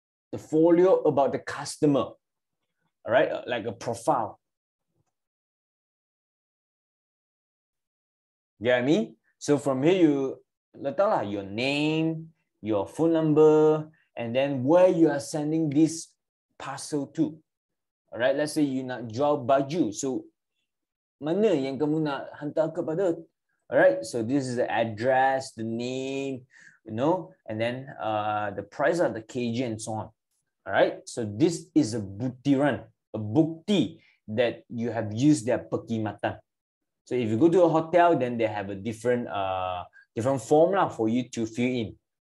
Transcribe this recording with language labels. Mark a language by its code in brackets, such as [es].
[en] The folio about the customer. All right, like a profile. Get me? So from here, you [ms] letaklah [en] your name, your phone number, and then where you are sending this parcel to. All right, let's say you [ms] nak jual baju. So mana yang kamu nak hantar kepada? [en] All right, so this is the address, the name, you know, and then the price of the kg and so on. All right, so this is a butiran, a bukti that you have used their perkhidmatan. So if you go to a hotel, then they have a different different form lah for you to fill in.